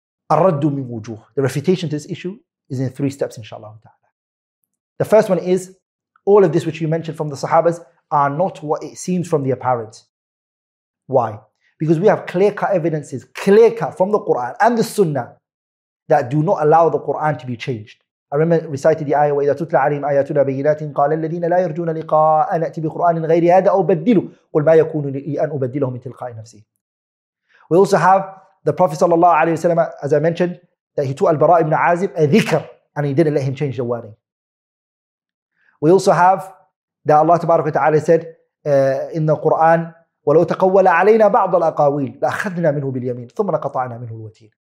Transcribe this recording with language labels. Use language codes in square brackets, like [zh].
[ar] Ar-raddu min wujuh. [en] The refutation to this issue is in three steps, inshallah ta'ala. The first one is, all of this which you mentioned from the Sahabas are not what it seems from the apparent. Why? Because we have clear-cut evidences, clear-cut from the Qur'an and the Sunnah, that do not allow the Qur'an to be changed. I remember recited the ayah, [ar] وَإِذَا تُتْلَى عَلِيْمْ آيَاتُنَا بَيِّنَاتٍ قَالَ الَّذِينَ لَا يَرْجُونَ لِقَاءَ نَأْتِ بِقُرْآنٍ غَيْرِ هَذَا أَوْ بَدِّلُ قُلْ مَا يَكُونُ لِي أَنْ أُبَدِّلَهُ مِنْ تِلْقَاءِ نَفْسِي. [en] We also have the Prophet, as I mentioned, that he taught Al-Bara ibn Azib a dhikr, and he didn't let him change the wording. We also have that Allah Tabaraka wa Ta'ala said in the Quran, [ar] وَلَوْ تَقَوَّلَ عَلَيْنَا بَعْضَ الْأَقَاوِيلِ لَأَخَذْنَا مِنْهُ بِالْيَمِينِ ثُمَّ لَقَطَعْنَا مِنْهُ الْوَتِينِ.